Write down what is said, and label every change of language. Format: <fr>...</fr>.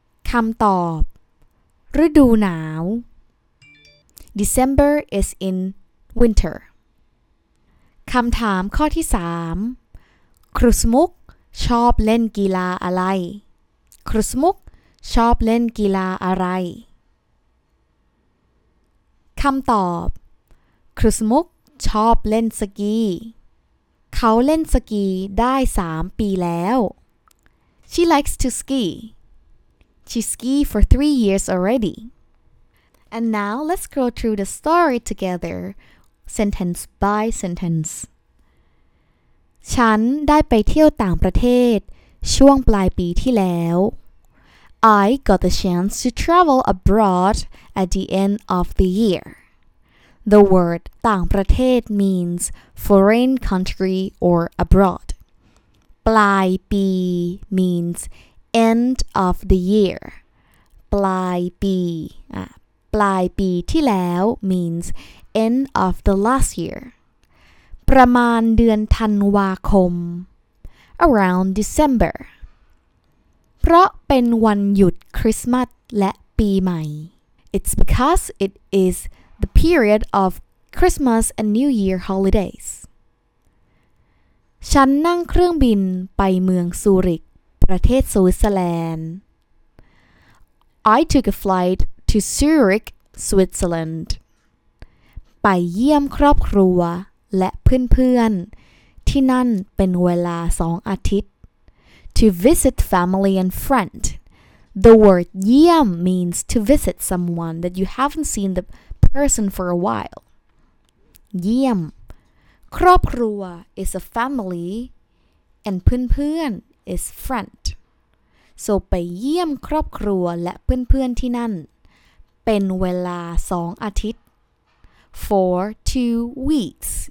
<th>คำตอบฤดูหนาว</th> <en>December is in winter</en> <th>คำถามข้อที่3ครูสมุกชอบเล่นกีฬาอะไรครูสมุกชอบเล่นกีฬาอะไรคำตอบครูสมุกชอบเล่นสกีเขาเล่นสกีได้3ปีแล้ว</th> <en>She likes to ski. She skied for 3 years already. And now let's go through the story together, sentence by sentence.</en> <th>ฉันได้ไปเที่ยวต่างประเทศช่วงปลายปีที่แล้ว</th> <en>I got the chance to travel abroad at the end of the year. The word ต่างประเทศ means foreign country or abroad. ปลายปี means end of the year. ปลายปีปลายปีที่แล้ว means end of the last year.</en> <th>ประมาณเดือนธันวาคม</th> <en>around December.</en> <th>เพราะเป็นวันหยุดคริสต์มาสและปีใหม่</th> <en>It's because it isThe period of Christmas and New Year holidays.</en> <th>ฉันนั่งเครื่องบินไปเมืองซูริกประเทศสวิตเซอร์แลนด์</th> <en>I took a flight to Zurich, Switzerland.</en> <th>ไปเยี่ยมครอบครัวและเพื่อนๆที่นั่นเป็นเวลา2อาทิตย์</th> <en>To visit family and friend. The word เยี่ยม means to visit someone that you haven't seen theperson for a while. เยี่ยมครอบครัว is a family and เพื่อน is friend.</en> <th>So ไปเยี่ยมครอบครัวและเพื่อนๆที่นั่นเป็นเวลา2อาทิตย์</th> <en>for 2 weeks.</en>